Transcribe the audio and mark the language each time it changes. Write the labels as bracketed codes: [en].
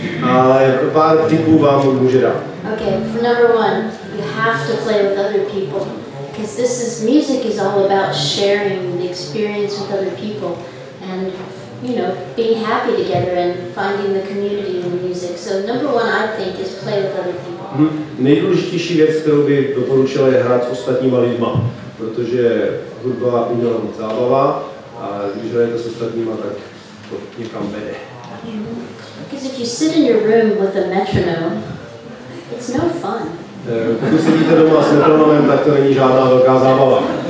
[cs] Ale pár tipů vám může dát. [en] Ok, number one, you have to play with other people. Because this is, music is all about sharing the experience with other people. And you know, being happy together and finding the community in the music. So number one, I think, is play with other people. [cs] Nejdůležitější věc, kterou bych doporučil, je hrát s ostatníma lidma, protože hudba by měla být zábava a když hrajete s ostatníma, tak to někam vede. [en] Because if you sit in your room with a metronome, it's no fun. [cs] Pokud sedíte doma s metronomem, tak to není žádná velká zábava.